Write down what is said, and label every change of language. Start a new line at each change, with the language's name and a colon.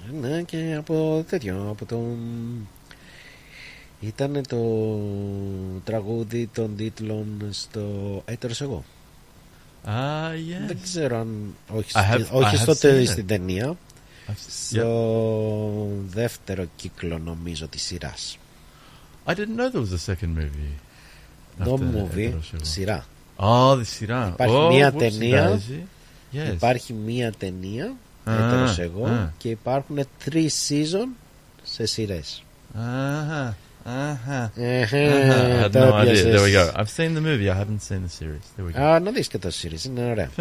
Greek: Ναι, και από τέτοιο, από το... Ήταν το τραγούδι των τίτλων στο Έτερος Εγώ.
English: Yes.
Greek: Δεν ξέρω αν όχι τότε στην ταινία, στο δεύτερο κύκλο νομίζω της σειράς.
English: I didn't know there was a second movie. No movie, σειρά. Oh, the σειρά.
Greek: Υπάρχει μία ταινία.
English: Yes.
Greek: Υπάρχει μία ταινία, έτερος εγώ, και υπάρχουν 3 season σε σειρές.
English: I had no idea. There we go. I've seen the movie. I haven't seen the series. There we go.
Greek: Να δεις και το series. Είναι ωραία.